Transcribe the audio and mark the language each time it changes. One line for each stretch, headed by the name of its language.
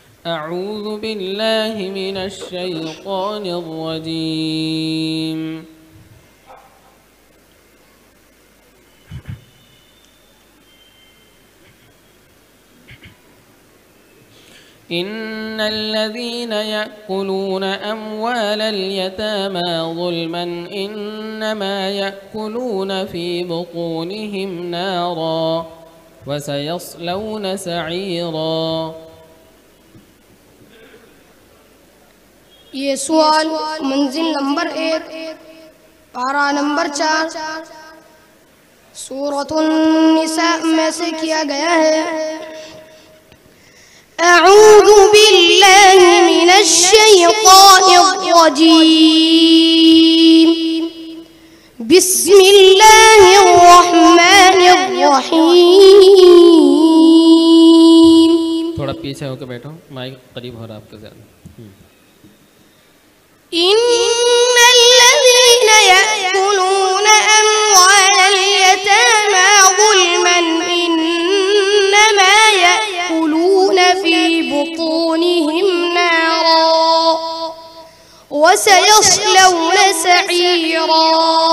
Arabic: أعوذ بالله من الشيطان الرجيم إن الذين يأكلون أموال اليتامى ظلما إنما يأكلون في بطونهم نارا وسيصلون سعيرا
Urdu: یہ سوال منزل نمبر ایک پارہ نمبر چار سورۃ النساء میں سے کیا گیا ہے
Arabic: اعوذ باللہ من الشیطان الرجیم بسم اللہ الرحمن الرحیم
Urdu: تھوڑا پیچھے ہو کے بیٹھو مائک قریب ہو رہا آپ کے زیادہ
Arabic: إن الذين يأكلون أموال اليتامى ظلما إنما يأكلون في بطونهم نارا وسيصلون سعيرا